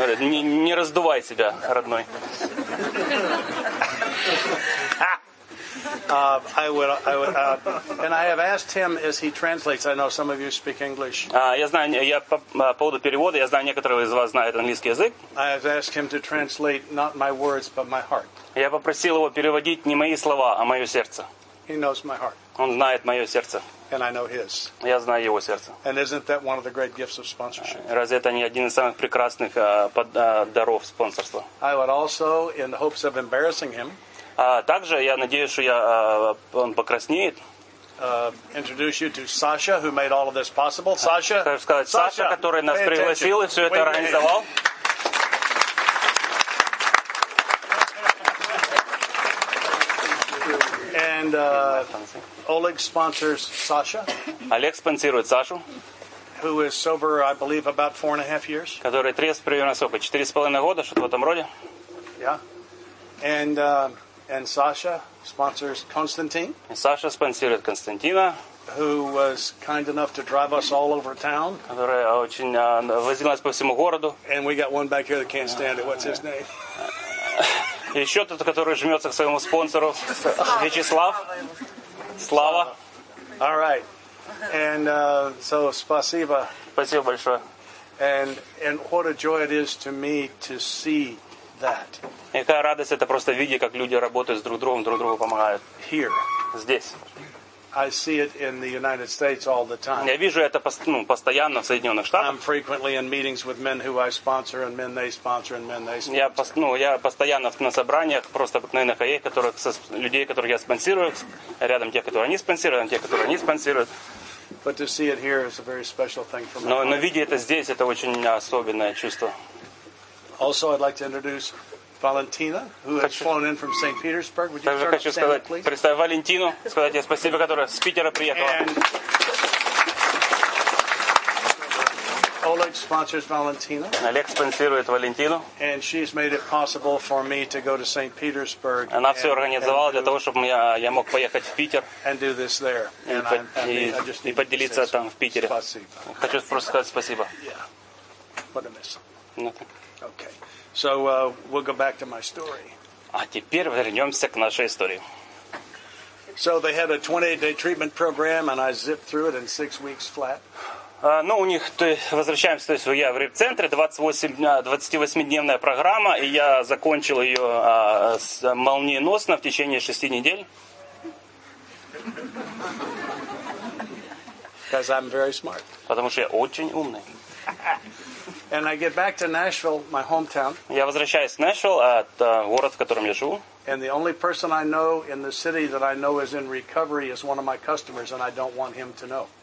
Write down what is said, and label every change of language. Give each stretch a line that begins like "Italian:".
Russian: Не раздувай себя, родной.
English: And I have asked him as he translates. I know some of you speak English.
Russian: Я знаю, я по поводу перевода. Я знаю, некоторые из вас знают английский язык.
English: I have asked him to translate not my words, but my heart.
Russian: Я попросил его переводить не мои слова, а мое сердце.
English: He knows my heart.
Russian: Он знает мое сердце.
English: And I know his.
Russian: Я знаю его сердце.
English: And isn't that one of the great gifts of sponsorship?
Russian: Разве это не один из самых прекрасных даров спонсорства?
English: I would also, in the hopes of embarrassing him.
Russian: Также я надеюсь, что он покраснеет.
English: Introduce you to Sasha, who made all of this possible. Sasha,
Russian: сказать, Sasha, который нас пригласил и все это организовал.
English: And Oleg sponsors Sasha.
Russian: Олег спонсирует Сашу.
English: Who is sober, I believe, about 4.5 years.
Russian: Который трезв примерно сколько? 4.5 года, что-то в этом роде.
English: Yeah. And And Sasha sponsors Konstantin. And
Russian: Sasha спонсирует Константина.
English: Who was kind enough to drive us all over town.
Russian: Которая очень возила нас по всему городу.
English: And we got one back here that can't stand it. What's his name?
Russian: Еще тот, который жмется к своему спонсору. Вячеслав. Слава.
English: All right. And so,
Russian: спасибо. Спасибо большое.
English: And what a joy it is to me to see that.
Russian: И какая радость это просто видеть, как люди работают с друг другу помогают.
English: Here.
Russian: Здесь.
English: I see it in the United States all the time.
Russian: Я вижу это постоянно в Соединенных Штатах.
English: I'm frequently in meetings with men who I sponsor and men they sponsor and men they sponsor.
Russian: Я постоянно на собраниях просто обыкновенных АЕ, людей, которых я спонсирую, рядом тех, которые они спонсируют, а те, которые они спонсируют.
English: But to see it here is a very special thing for me.
Russian: Но видеть это здесь, это очень особенное чувство.
English: Also, I'd like to introduce Valentina, who has flown in from St. Petersburg. Would you start хочу standing,
Russian: сказать,
English: please?
Russian: Представь Валентину, сказать ей спасибо, которая с Питера приехала.
English: And Oleg sponsors Valentina.
Russian: Олег спонсирует Валентину.
English: And she's made it possible for me to go to St. Petersburg.
Russian: Она все организовала для того, чтобы я мог поехать в Питер.
English: And do this there.
Russian: И поделиться там в Питере. Спасибо. Хочу просто сказать спасибо.
English: Yeah. What a miss. Nothing. Okay. So we'll go back to my story.
Russian: А теперь вернемся к нашей истории.
English: So they had a 28-day treatment program, and I zipped through it in 6 weeks flat.
Russian: Ну, у них, то есть, возвращаемся, то есть, я в реп-центре, 28-дневная программа, и я закончил ее молниеносно в течение 6 недель.
English: I'm very smart.
Russian: Потому что я очень умный.
English: And I get back to Nashville, my hometown.
Russian: Я возвращаюсь в Нэшвилл, это город, в котором я живу.
English: And the only person I know in the city that I know is in recovery is one of my customers, and I don't want him to know.